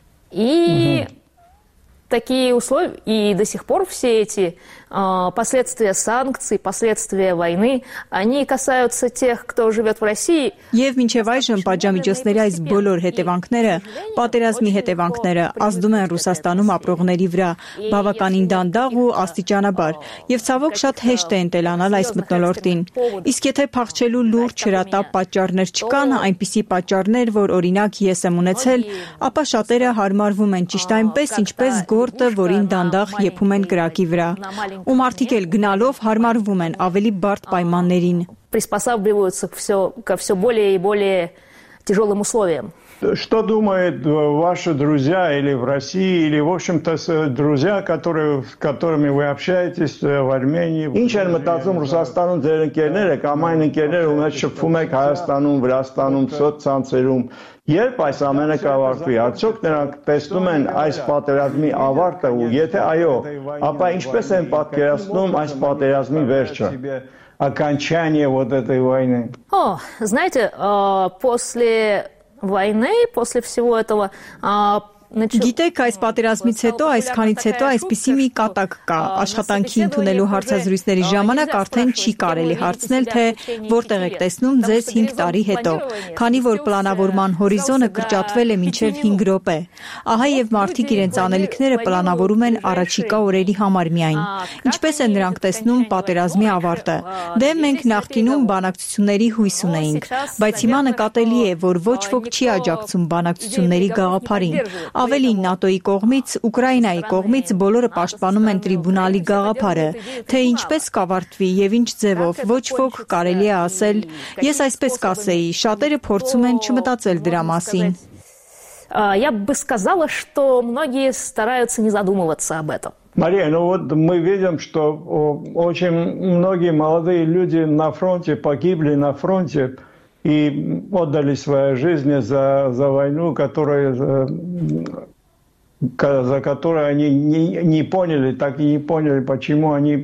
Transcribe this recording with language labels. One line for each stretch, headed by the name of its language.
Russian: И такие условия, и до сих пор все эти последствия санкций, последствия войны, они касаются тех, кто живет в России.
Armenian: Եվ մինչև այժմ պատժամիջոցների այս բոլոր հետևանքները, պատերազմի հետևանքները ազդում են Ռուսաստանում ապրողների վրա, բավականին դանդաղ ու աստիճանաբար, եւ ցավոք շատ հեշտ է ընտելանալ այս մտնոլորտին։ Իսկ եթե փախչելու լուրջ հրատապ պատճառներ չկան, այնպիսի պատճառներ, որ օրինակ ես եմ ունեցել, ապա շատերը հարմարվում են ճիշտ այնպես, ինչպես գորտը, որին դանդաղ եփում են կրակի վրա։ Ու մարդիկ էլ գնալով հարմարվում են ավելի բարդ պայմաններին։
Russian: Приспосабливаются всё ко всё более и более тяжёлым условиям. Что думают ваши друзья или в России, или, в общем-то, друзья, с которыми вы общаетесь в Армении?
Armenian: Ինչեր մտածում Ռուսաստանում ձեր ընկերները, կամ այն ընկերները, ում հետ շփվում եք Հայաստանում, Վրաստանում, սոցցանցերում, երբ այս ամենը կավարտվի, արդյոք նրանք տեսնում են այս պատերազմի ավարտը, ու եթե այո, ապա ինչպես են պատկերացնում այս պատերազմի վերջը?
Russian: Окончание вот этой войны. О, знаете, после войны, после всего этого...
Armenian: Գիտեք, այս պատերազմից հետո, այսքանից հետո այսպիսի մի կատակ կա, աշխատանքի ընդունելու հարցազրույցների ժամանակ արդեն չի կարելի հարցնել, թե որտեղ եք տեսնում ձեզ 5 տարի հետո, քանի որ պլանավորման հորիզոնը կրճատվել է մինչև 5 րոպե։ Ահա եւ մարդիկ իրենց անելիքները պլանավորում են առաջիկա օրերի համար միայն։ Ինչպես են նրանք տեսնում պատերազմի ավարտը։ Դե մենք նախկինում բանակցությունների հույս ունեինք, բայց հիմա նկատելի է, որ ոչ ոք չի աջակցում բանակցությունների գաղափարին։ Ավելին, ՆԱՏՕ-ի կողմից, Ուկրաինայի կողմից բոլորը պաշտպանում են տրիբունալի գաղափարը, թե ինչպես կավարտվի եւ ինչ ձևով, ոչ ոք կարելի է ասել, ես այսպես կասեի, շատերը փորձում են չմտածել դրա մասին։
Russian: Я бы сказала, что многие стараются не задумываться об этом. Мария, ну вот мы видим, что очень многие молодые люди на фронте погибли на фронте. И отдали свою жизнь за войну, за которую они не поняли, так и не поняли, почему они...